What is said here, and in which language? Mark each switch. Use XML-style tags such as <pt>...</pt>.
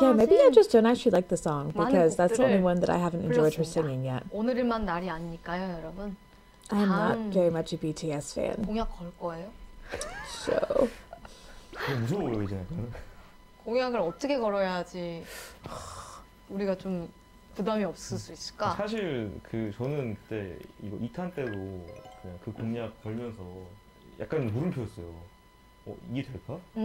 <en>Yeah, maybe I just don't actually like the song because that's the only one that I haven't enjoyed her singing yet.</en> <ko>오늘만 날이 아니니까요, 여러분.</ko> <en>I'm not very much a BTS fan.</en> <ko>공약 걸 거예요? So. 무서워요, 이제. 공약을 어떻게 걸어야지 우리가 좀 부담이 없을 수 있을까? 사실 그 저는 그때 이거 2탄 때도 그냥 그 공약 걸면서 약간 물음표였어요. 어, 이게 될까?</ko>